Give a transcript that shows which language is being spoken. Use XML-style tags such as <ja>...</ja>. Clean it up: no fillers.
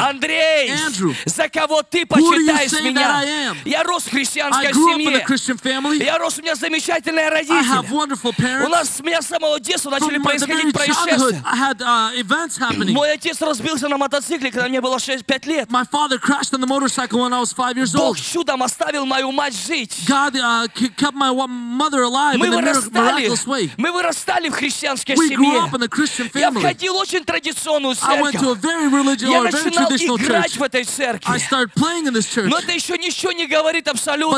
<ru>Андрей.</ru> <en>Andrew.</en> <ru>За кого ты почитаешь меня?</ru> <en>Who do you say that I am?</en> <ru>Я рос в христианской семье.</ru> <en>I grew up in a Christian family.</en> <ru>Я рос, у меня замечательные родители.</ru> <en>I have wonderful parents.</en> <ru>У нас с меня с самого детства начали происходить происшествия.</ru> <en>I had events happening.</en> <ru>Мой отец разбился на мотоцикле, когда мне было 5 лет.</ru> <en>My father crashed on the motorcycle when I was 5 years old.</en> <ru>Бог чудом оставил мою мать жить.</ru> <en>God kept my mother alive in a miraculous way.</en> <ru>Мы вырастали в христианской семье.</ru> <en>We grew up in a Christian family.</en> <ru>Я входил очень традиционную церковь.</ru> <en>I went to a very religious or very traditional church.</en> <ru>Я начинал играть в этой церкви.</ru> <en>I started playing in this church.</en> <ru>Но это еще ничего не говорит абсолютно.</ru>